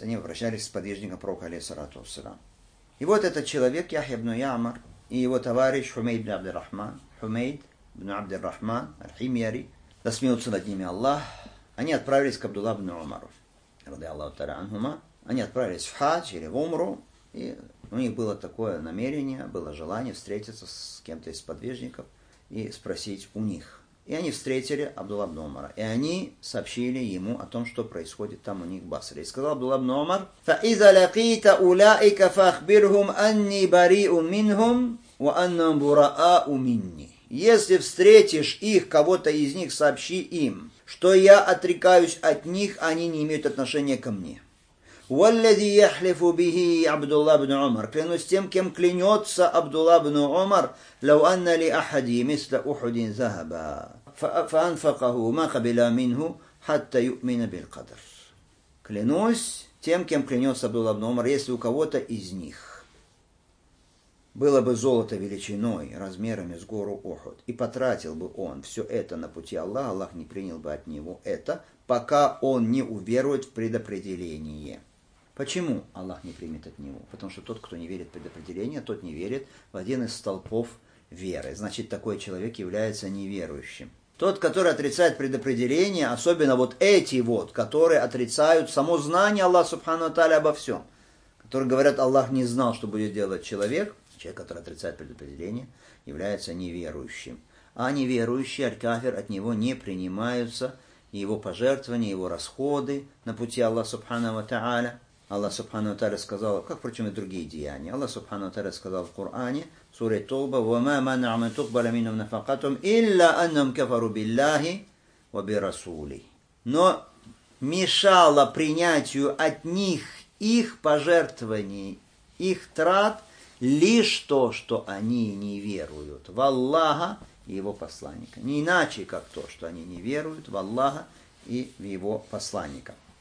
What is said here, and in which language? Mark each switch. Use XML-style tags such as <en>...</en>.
<ru>Они обращались к сподвижнику пророка, алейхиссалату вассалям. И вот этот человек, Яхья ибн Ямар, и его товарищ Хумейд ибн Абдур-Рахман, Хумейд ибн Абдур-Рахман, аль-Химьяри, да смеются над ними Аллах, они отправились к Абдулла ибн Умару, ради Аллаху Таала анхума. Они отправились в хадж или в умру, и у них было такое намерение, было желание встретиться с кем-то из сподвижников и спросить у них. И они встретили Абдулла ибн Умара, и они сообщили ему о том, что происходит там у них в Басре. И сказал Абдулла ибн Умар:</ru> <ar>فَإِذَا لَقِيتَ أُولَئِكَ فَأَخْبِرْهُمْ أَنِّي بَرِيءٌ مِنْهُمْ وَأَنَّهُمْ بُرَآءُ مِنِّي.</ar> <ru>Если встретишь их, кого-то из них, сообщи им, что я отрекаюсь от них, они не имеют отношения ко мне.</ru> <ar>وَالَّذِي يَحْلِفُ بِهِ عَبْدُ اللَّهِ بْنُ عُمَرَ.</ar> <ru>Клянусь тем, кем клянется Абдулла ибн Умар:</ru> <ar>لَوْ أَنَّ لِأَحَدِي مِثْلَ أُحُدٍ ذَهَبًا فَأَنْفَقَهُ مَا قَبِلَ مِنْهُ حَتَّى يُؤْمِنَ بِالْقَدْرِ.</ar> <ru>Клянусь тем, кем клянется Абдулла ибн Умар, если у кого-то из них было бы золото величиной, размерами с гору Ухуд, и потратил бы он все это на пути Аллаха, Аллах не принял бы от него это, пока он не уверует в предопределение. Почему Аллах не примет от него? Потому что тот, кто не верит в предопределение, тот не верит в один из столпов веры. Значит, такой человек является неверующим. Тот, который отрицает предопределение, особенно вот эти вот, которые отрицают само знание Аллаха Субхана ва Тааля обо всем, которые говорят, Аллах не знал, что будет делать человек, человек, который отрицает предопределение, является неверующим. А неверующий, аль-кафир, от него не принимаются его пожертвования, его расходы на пути Аллаха Субхана ва Тааля. Аллах Субхана ва Тааля сказал, как, впрочем, и другие деяния. Аллах Субхана ва Тааля сказал в Коране, суре Тауба:</ru> <ar>وَمَا مَنَعَهُمْ أَن تُقْبَلَ مِنْهُمْ نَفَقَاتُهُمْ إِلَّا أَنَّهُمْ كَفَرُوا بِاللَّهِ وَبِرَسُولِهِ.</ar> <ru>Но мешало принятию от них их пожертвований, их трат, лишь то, что они не веруют в Аллаха и его посланника. Не иначе, как то, что они не веруют в Аллаха и в его посланника.</ru>